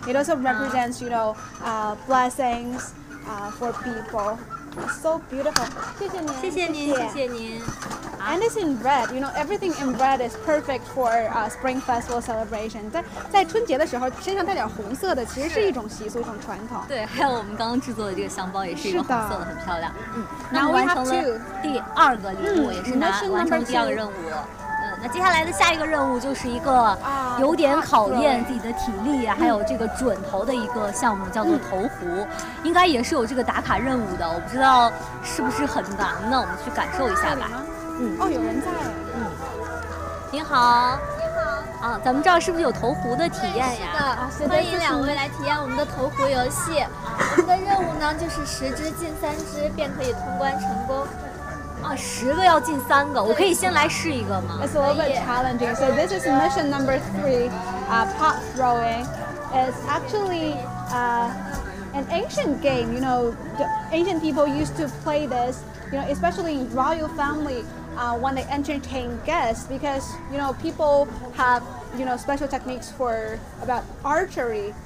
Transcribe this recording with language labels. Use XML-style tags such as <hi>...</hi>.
<en>It also represents, you know, blessings, for people. So beautiful.</en> <zh>谢谢您，谢谢您，谢谢您。</zh> <en>And it's in red. You know, everything in red is perfect for Spring Festival celebration.</en> <zh>在春节的时候，身上带点红色的，其实是一种习俗，一种传统。对，还有我们刚刚制作的这个香包，也是一个红色的，很漂亮。嗯，那完成了第二个礼物，也是拿完成了第二个任务。那接下来的下一个任务就是一个有点考验自己的体力还有这个准头的一个项目，叫做投壶，应该也是有这个打卡任务的，我不知道是不是很难呢，我们去感受一下吧。有人在。您好。您好。啊，咱们这儿是不是有投壶的体验呀？是的，欢迎两位来体验我们的投壶游戏。我们的任务呢就是十只进三只便可以通关成功。啊，十个要进三个，我可以先来试一个吗</zh> <en>？It's a little bit challenging. So this is mission number three, pot throwing. It's actually an ancient game. You know, ancient people used to play this. You know, especially in royal family, when they entertain guests, because you know people have you know special techniques for about archery.</en>